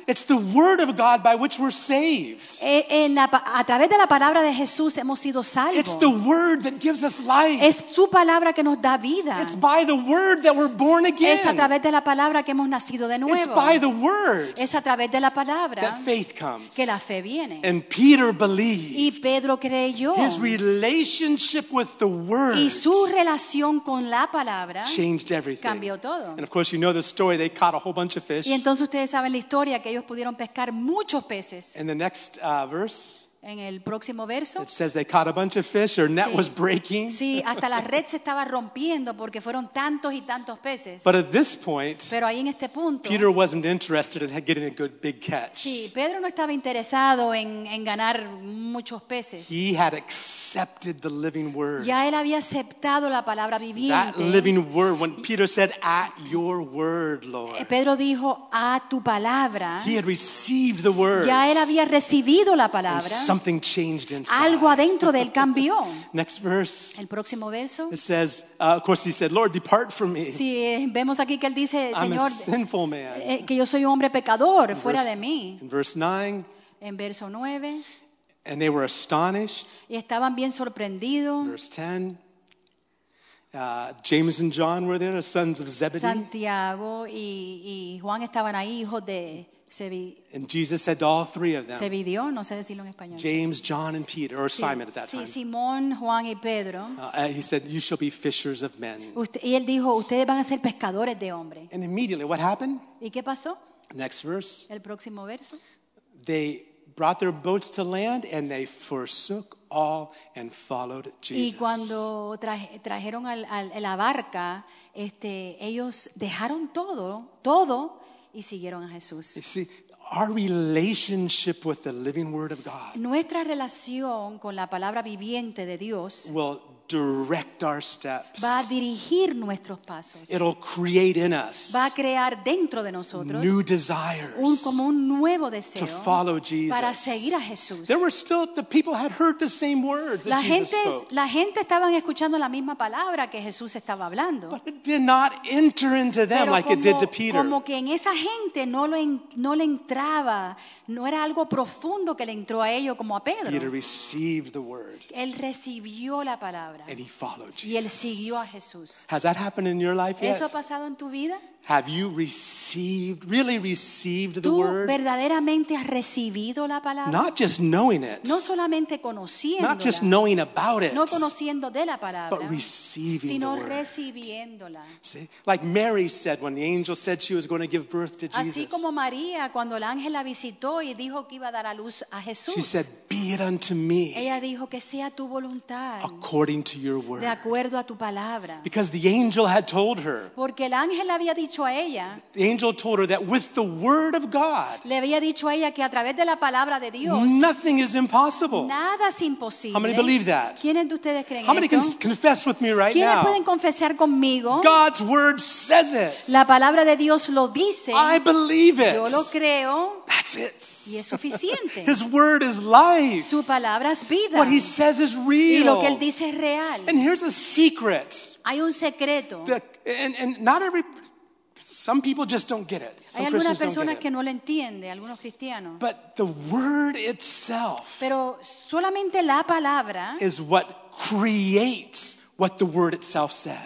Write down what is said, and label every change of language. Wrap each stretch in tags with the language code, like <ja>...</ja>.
<en>It's the word of God by which we're saved.</en> <es>A través de la palabra de Jesús hemos sido salvos.</es> <en>It's the word that gives us life.</en> <es>Es su palabra que nos da vida.</es> <en>It's by the word that we're born again.</en> <es>Es a través de la palabra que hemos nacido de nuevo.</es> <en>It's by the word.</en> <es>Es a través de la palabra.</es> <en>That faith comes.</en> <es>Que la fe viene.</es> <en>And Peter believed.</en> <es>Y Pedro creyó.</es> <en>His relationship with the word.</en> <es>Y su relación con la palabra.</es> <en>Changed everything.</en> <es>Cambió todo.</es> <en>And of course you know the story, they caught a whole bunch of fish.</en> <es>Y entonces ustedes saben la historia que ellos pudieron pescar muchos peces.</es> <en>In the next verse,</en> <es>en el próximo verso,</es> <en>it says they caught a bunch of fish, their net was breaking.</en> <es>Sí, hasta la red se estaba rompiendo porque fueron tantos y tantos peces.</es> <en>But at this point,</en> <es>pero ahí en este punto,</es> <en>Peter wasn't interested in getting a good big catch.</en> <es>Sí, Pedro no estaba interesado en ganar muchos peces.</es> <en>He had accepted the living word.</en> <es>Ya él había aceptado la palabra viviente.</es> <en>That living word, when Peter said, "At your word, Lord."</en> <es>Pedro dijo, "A tu palabra."</es> <en>He had received the word.</en> <es>Ya él había recibido la palabra.</es> <en>Something changed inside.</en> <es>Algo adentro de él cambió.</es> <en>Next verse.</en> <es>El próximo verso.</es> <en>It says, of course, he said, "Lord, depart from me."</en> <es>Sí, vemos aquí que él dice, Señor,</es> <en>I'm a sinful man.</en> <es>Que yo soy un hombre pecador,</es> <en>in</en> <es>fuera</es> <en>verse,</en> <es>de mí.</es> <en>In verse 9.</en> <es>En verso 9.</es> <en>And they were astonished.</en> <es>Y estaban bien sorprendidos.</es> <en>Verse 10. James and John were there, the sons of Zebedee.</en> <es>Santiago y Juan estaban ahí, hijos de.</es> <en>And Jesus said to all three of them,</en> <es>se vidió, no sé decirlo en español.</es> <en>James, John, and Peter, or</en> <es>sí,</es> <en>Simon at that</en> <es>sí,</es> <en>time.</en> <es>Simón, Juan, y Pedro.</es> <en>He said, "You shall be fishers of men."</en> <es>Y él dijo, ustedes van a ser pescadores de hombres.</es> <en>And immediately, what happened?</en> <es>¿Y qué pasó?</es> <en>Next verse.</en> <es>El próximo verso.</es> <en>They brought their boats to land and they forsook all and followed Jesus.</en> <es>Y cuando trajeron la barca, ellos dejaron todo, y siguieron a Jesús.</es> <en>You see, our relationship with the living word of God.</en> <es>Nuestra relación con la palabra viviente de Dios.</es> <en>Will direct our steps.</en> <es>Va a dirigir nuestros pasos.</es> <en>It'll create in us.</en> <es>Va a crear dentro de nosotros.</es> <en>New desires.</en> <es>Como un nuevo deseo.</es> <en>To follow Jesus.</en> <es>Para seguir a Jesús.</es> <en>There were still the people had heard the same words</en> <es>la</es> <en>that</en> <es>gente,</es> <en>Jesus spoke.</en> <es>La gente estaban escuchando la misma palabra que Jesús estaba hablando.</es> <en>But it did not enter into them</en> <es>pero</es> <en>like</en> <es>como,</es> <en>it did to Peter.</en> <es>Como que en esa gente no le entraba. No era algo profundo que le entró a ellos como a Pedro.</es> <en>Peter received the word.</en> <es>Él recibió la palabra.</es> <en>And he followed Jesus.</en> <es>Y él siguió a Jesús.</es> <en>Has that happened in your life yet?</en> <es>¿Eso ha pasado en tu vida?</es> <en>Have you received, really received the word?</en> <es>¿Tú verdaderamente has recibido la palabra?</es> <en>Not just knowing it.</en> <es>No solamente conociéndola.</es> <en>Not just knowing about it.</en> <es>No conociendo de la palabra.</es> <en>But receiving</en> <es>sino</es> <en>the word.</en> <es>Recibiéndola.</es> <en>See? Like Mary said when the angel said she was going to give birth to Jesus.</en> <es>Así como María cuando el ángel la visitó y dijo que iba a dar a luz a Jesús.</es> <en>She said, "Be it unto me."</en> <es>Ella dijo que sea tu voluntad.</es> <en>According to your word.</en> <es>De acuerdo a tu palabra.</es> <en>Because the angel had told her.</en> <es>Porque el ángel había dicho.</es> <en>The angel told her that with the word of God,</en> <es>le había dicho a ella que a través de la palabra de Dios,</es> <en>nothing is impossible.</en> <es>Nada es imposible.</es> <en>How many believe that?</en> <es>¿Quiénes de ustedes creen</es> <en>How many</en> <es>esto?</es> <en>Can confess with me right</en> <es>¿Quiénes</es> <en>now?</en> <es>¿Quiénes pueden confesar conmigo?</es> <en>God's word says it.</en> <es>La palabra de Dios lo dice.</es> <en>I believe it.</en> <es>Yo lo creo.</es> <en>That's it.</en> <es>Y es suficiente.</es> <en>His word is life.</en> <es>Su palabra es vida.</es> <en>What he says is real.</en> <es>Y lo que él dice es real.</es> <en>And here's a secret.</en> <es>Hay un secreto.</es> <en>And not every Some people just don't get it. Some</en> <es>Hay algunas personas que no lo entienden, algunos cristianos.</es> <en>But the word itself</en> <es>Pero solamente la palabra</es> <en>is what creates what the word itself says.</en>